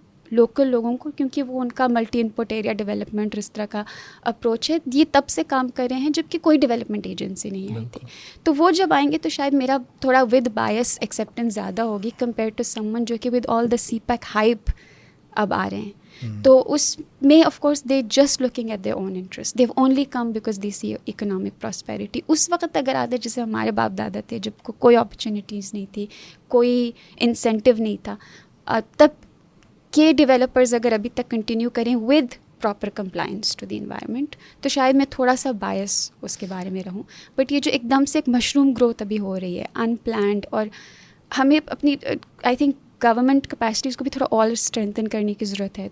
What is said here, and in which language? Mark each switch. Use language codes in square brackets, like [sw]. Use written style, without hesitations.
[ur] Local لوگوں کو, کیونکہ وہ ان کا ملٹی ان پٹ ایریا ڈیولپمنٹ اس طرح کا اپروچ ہے, یہ تب سے کام کر رہے ہیں جب کہ کوئی ڈیولپمنٹ ایجنسی نہیں آئی تھی, تو وہ جب آئیں گے تو شاید میرا تھوڑا ود بایس ایکسیپٹنس زیادہ ہوگی کمپیئر ٹو سم ون جو کہ [en] with all the CPEC hype [ur] اب آ رہے ہیں. تو اس میں [en] Of course they just looking at their own interest, they have only come because they see economic prosperity. [ur] اس وقت اگر آتے جیسے ہمارے باپ دادا تھے جب کوئی اپرچونیٹیز نہیں تھی, کوئی انسینٹیو نہیں تھا, تب کے ڈیولپرز اگر ابھی تک کنٹینیو کریں [en] with proper compliance to the environment [ur] تو شاید میں تھوڑا سا بائس اس کے بارے میں رہوں. بٹ یہ جو ایک دم سے ایک مشروم گروتھ ابھی ہو رہی ہے ان پلانڈ, اور ہمیں اپنی آئی تھنک گورنمنٹ کیپیسٹیز کو بھی تھوڑا اور اسٹرینتھن کرنے کی ضرورت ہے.